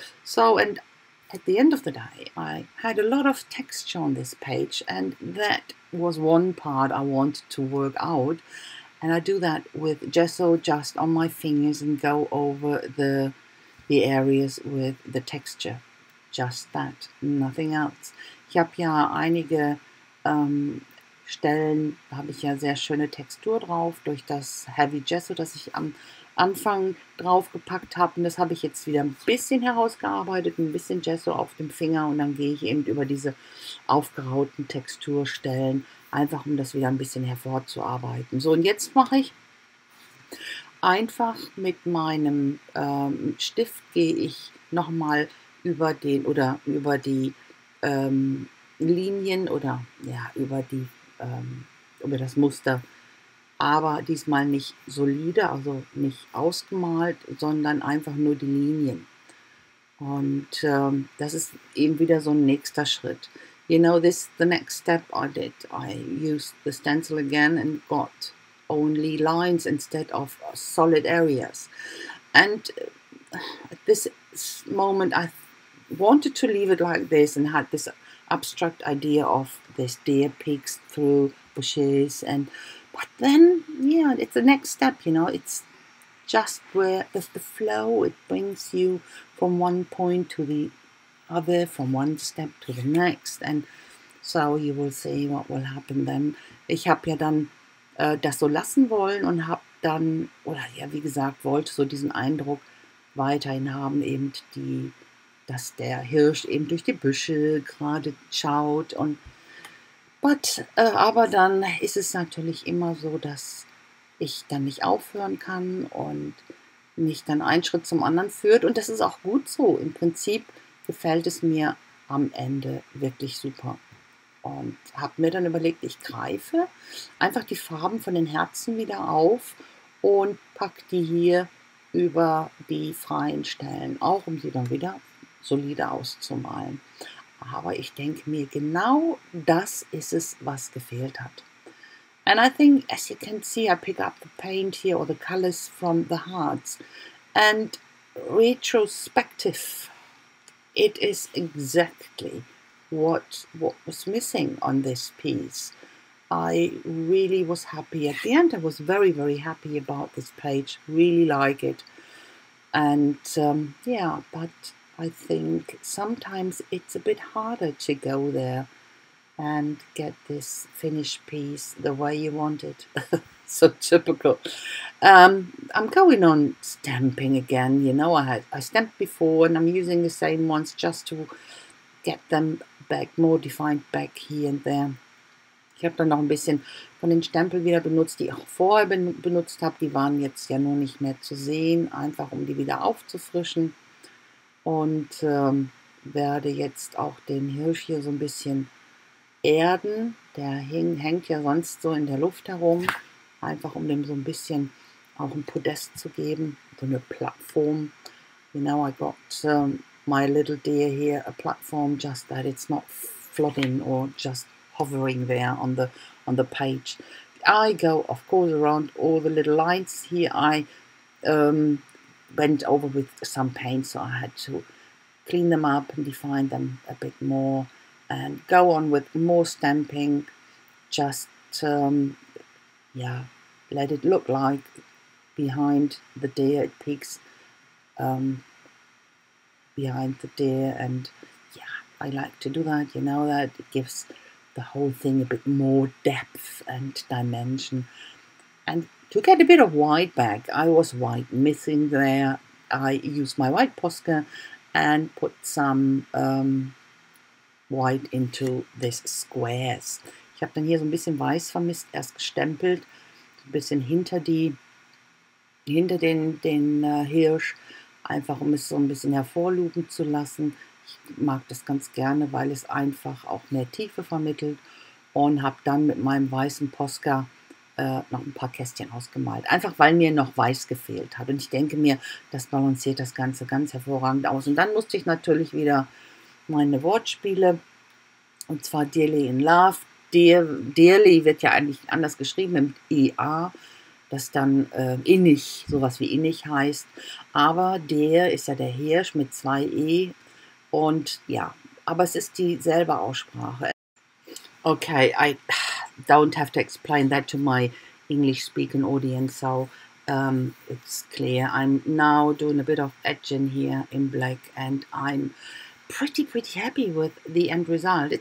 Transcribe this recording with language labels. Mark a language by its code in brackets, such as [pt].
[en] So, and at the end of the day, I had a lot of texture on this page, and that was one part I wanted to work out. And I do that with gesso just on my fingers and go over the areas with the texture. Just that, nothing else. [de] Ich habe ja einige Stellen, habe ich ja sehr schöne Textur drauf, durch das Heavy Gesso, das ich am Anfang draufgepackt habe. Und das habe ich jetzt wieder ein bisschen herausgearbeitet, ein bisschen Gesso auf dem Finger. Und dann gehe ich eben über diese aufgerauten Texturstellen, einfach um das wieder ein bisschen hervorzuarbeiten. So, und jetzt mache ich einfach mit meinem Stift, gehe ich nochmal über den oder über die Linien oder ja über die über das Muster, aber diesmal nicht solide, also nicht ausgemalt, sondern einfach nur die Linien. Und das ist eben wieder so ein nächster Schritt. [en] You know, this the next step I did. I used the stencil again and got only lines instead of solid areas. And at this moment I wanted to leave it like this and had this abstract idea of this deer peeks through bushes. And but then, yeah, it's the next step, you know. It's just where the flow, it brings you from one point to the other, from one step to the next. And so you will see what will happen then. [de] Ich habe ja dann das so lassen wollen und habe dann, oder ja, wie gesagt, wollte so diesen Eindruck weiterhin haben, eben die, dass der Hirsch eben durch die Büsche gerade schaut. Und aber dann ist es natürlich immer so, dass ich dann nicht aufhören kann und mich dann ein Schritt zum anderen führt. Und das ist auch gut so. Im Prinzip gefällt es mir am Ende wirklich super. Und habe mir dann überlegt, ich greife einfach die Farben von den Herzen wieder auf und packe die hier über die freien Stellen auch, um sie dann wieder solide auszumalen. Aber ich denke mir, genau das ist es, was gefehlt hat. [en] And I think, as you can see, I pick up the paint here or the colors from the hearts. And retrospective, it is exactly what was missing on this piece. I really was happy at the end. I was very, very happy about this page. Really like it. And yeah, but I think sometimes it's a bit harder to go there and get this finished piece the way you want it. So typical. I'm going on stamping again. You know, I stamped before and I'm using the same ones just to get them back, more defined back here and there. [de] Ich habe dann noch ein bisschen von den Stempeln wieder benutzt, die ich vorher benutzt habe. Die waren jetzt ja nur nicht mehr zu sehen, einfach um die wieder aufzufrischen. Und werde jetzt auch den Hirsch hier so ein bisschen erden. Der hängt ja sonst so in der Luft herum. Einfach um dem so ein bisschen auch ein Podest zu geben. So eine Plattform. [en] You know, I got my little deer here a platform, just that it's not floating or just hovering there on the page. I go, of course, around all the little lines here. I went over with some paint, so I had to clean them up and define them a bit more and go on with more stamping, just yeah, let it look like behind the deer it peaks, behind the deer. And yeah, I like to do that, you know, that it gives the whole thing a bit more depth and dimension. And to get a bit of white back. I was white missing there. I used my white Posca and put some white into these squares. [de] Ich habe dann hier so ein bisschen weiß vermisst, erst gestempelt, so ein bisschen hinter den Hirsch, einfach um es so ein bisschen hervorlugen zu lassen. Ich mag das ganz gerne, weil es einfach auch mehr Tiefe vermittelt, und habe dann mit meinem weißen Posca noch ein paar Kästchen ausgemalt, einfach weil mir noch weiß gefehlt hat. Und ich denke mir, das balanciert das Ganze ganz hervorragend aus. Und dann musste ich natürlich wieder meine Wortspiele, und zwar [en] Dearly in Love. [de] Dearly wird ja eigentlich anders geschrieben, mit IA, das dann innig, sowas wie innig heißt. Aber der ist ja der Hirsch mit zwei E. Und ja, aber es ist dieselbe Aussprache. [en] Okay, I don't have to explain that to my English-speaking audience, so it's clear. I'm now doing a bit of edging here in black, and I'm pretty, pretty happy with the end result.